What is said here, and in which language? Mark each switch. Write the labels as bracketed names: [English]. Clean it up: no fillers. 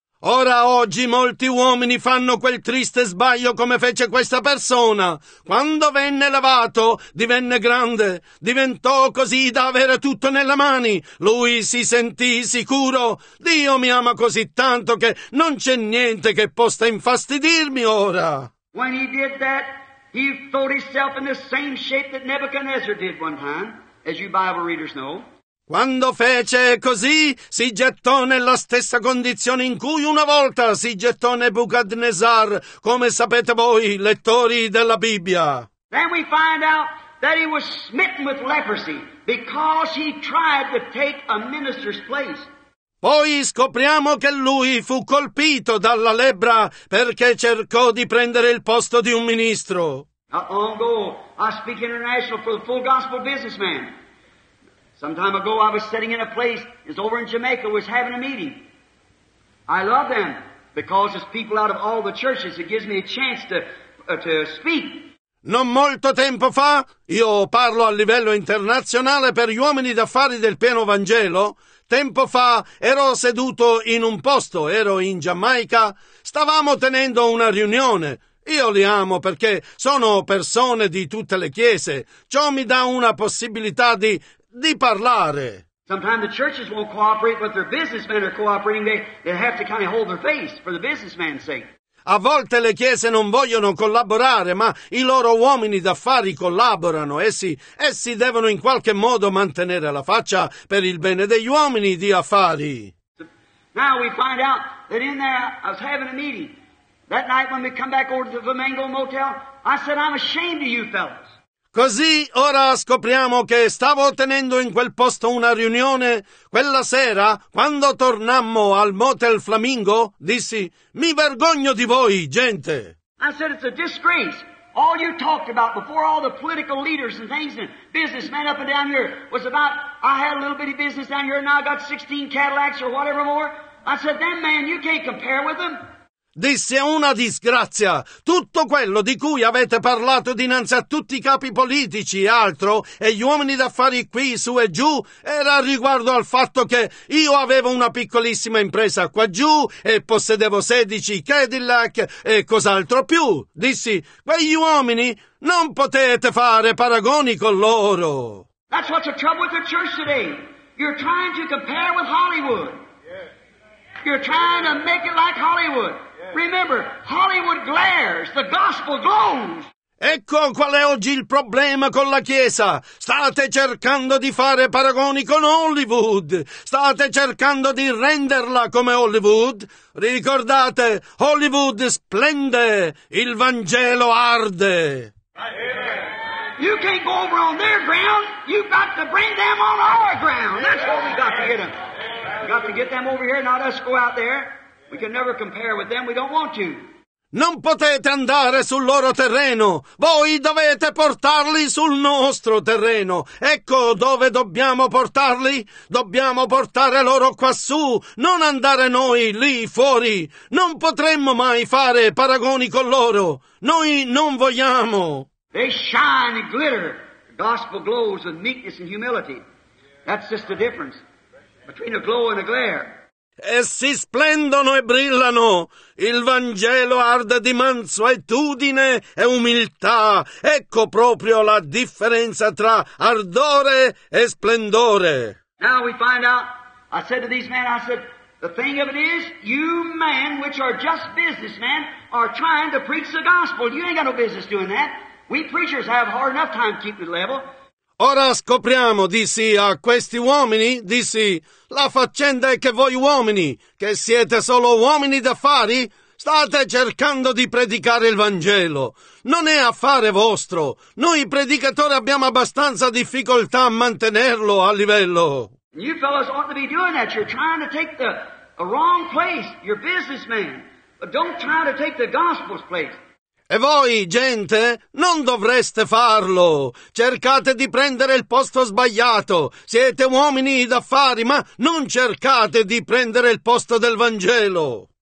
[Italian] Ora oggi molti uomini fanno quel triste sbaglio come fece questa persona. Quando venne elevato, divenne grande, diventò così da avere tutto nelle mani. Lui si sentì sicuro. Dio mi ama così tanto che non c'è niente che possa infastidirmi ora. [English] When he did that, he thought himself in the same shape that Nebuchadnezzar did one time, as you Bible readers know. [Italian] Quando fece così, si gettò nella stessa condizione in cui una volta si gettò Nebuchadnezzar, come sapete voi, lettori della Bibbia. [English] Then we find out that he was smitten with leprosy because he tried to take a minister's place. [Italian] Poi scopriamo che lui fu colpito dalla lebbra perché cercò di prendere il posto di un ministro. [English] I speak international for the full gospel businessman. Some time ago I was sitting in a place, it was over in Jamaica, was having a meeting. I love them, because it's people out of all the churches, it gives me a chance to speak. [Italian] Non molto tempo fa, io parlo a livello internazionale per gli uomini d'affari del pieno Vangelo, tempo fa ero seduto in un posto, ero in Giamaica, stavamo tenendo una riunione. Io li amo perché sono persone di tutte le chiese, ciò mi dà una possibilità di parlare. [English] Sometimes the churches won't cooperate, but their businessmen are cooperating. They have to kind of hold their face for the businessman's sake. [Italian] A volte le chiese non vogliono collaborare, ma i loro uomini d'affari collaborano. Essi devono in qualche modo mantenere la faccia per il bene degli uomini di affari. [English] Now we find out that in there I was having a meeting. That night when we come back over to the Flamingo Motel, I said, I'm ashamed of you fellas. [Italian] Così ora scopriamo che stavo tenendo in quel posto una riunione. Quella sera, quando tornammo al Motel Flamingo, dissi, mi vergogno di voi, gente. [English] I said, it's a disgrace. All you talked about before all the political leaders and things and businessmen up and down here was about, I had a little bitty business down here and now I got 16 Cadillacs or whatever more. I said, them man, you can't compare with them. [Italian] disse una disgrazia. Tutto quello di cui avete parlato dinanzi a tutti i capi politici e altro, e gli uomini d'affari qui, su e giù, era riguardo al fatto che io avevo una piccolissima impresa qua giù e possedevo 16 Cadillac e cos'altro più. Dissi, quegli uomini non potete fare paragoni con loro. [English] That's what's the trouble with the church today. You're trying to compare with Hollywood. You're trying to make it like Hollywood. Remember, Hollywood glares, the gospel glows. [Italian] Ecco qual è oggi il problema con la Chiesa. State cercando di fare paragoni con Hollywood. State cercando di renderla come Hollywood. Ricordate, Hollywood splende, il Vangelo arde. [English] You can't go over on their ground. You've got to bring them on our ground. That's what we got to get them. We got to get them over here, not us go out there. We can never compare with them. We don't want to. [Italian] Non potete andare sul loro terreno. Voi dovete portarli sul nostro terreno. Ecco dove dobbiamo portarli. Dobbiamo portare loro quassù, non andare noi lì fuori. Non potremmo mai fare paragoni con loro. Noi non vogliamo. [English] They shine and glitter. The gospel glows with meekness and humility. That's just the difference between a glow and a glare. [Italian] Essi splendono e brillano. Il Vangelo arde di mansuetudine e umiltà. Ecco proprio la differenza tra ardore e splendore. [English] Now we find out, I said to these men, I said, the thing of it is, you men which are just businessmen are trying to preach the gospel. You ain't got no business doing that. We preachers have hard enough time keeping the level. [Italian] Ora scopriamo, dissi a questi uomini, dissi, la faccenda è che voi uomini, che siete solo uomini d'affari, state cercando di predicare il Vangelo. Non è affare vostro. Noi predicatori abbiamo abbastanza difficoltà a mantenerlo a livello. [English] You fellows ought to be doing that. You're trying to take the wrong place. You're businessmen. But don't try to take the gospel's place. [Italian] E voi, gente, non dovreste farlo. Cercate di prendere il posto sbagliato. Siete uomini d'affari, ma non cercate di prendere il posto del Vangelo.